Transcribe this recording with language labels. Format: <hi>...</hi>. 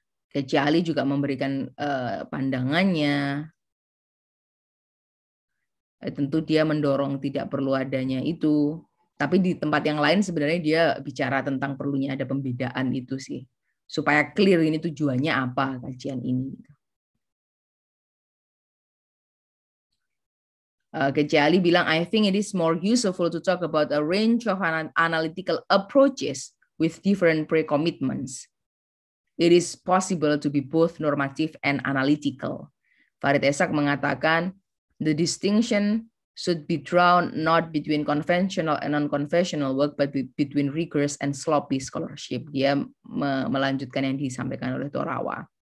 <id>Kaji Ali juga memberikan pandangannya. Tentu dia mendorong tidak perlu adanya itu. Tapi di tempat yang lain sebenarnya dia bicara tentang perlunya ada pembedaan itu sih. Supaya clear ini tujuannya apa kajian ini.</id> <en>Kaji Ali bilang, I think it is more useful to talk about a range of analytical approaches with different pre-commitments. It is possible to be both normative and analytical. Farid Esak mengatakan, the distinction should be drawn not between conventional and non-conventional work, but between rigorous and sloppy scholarship.</en> <id>Dia melanjutkan yang disampaikan oleh Torawa.</id>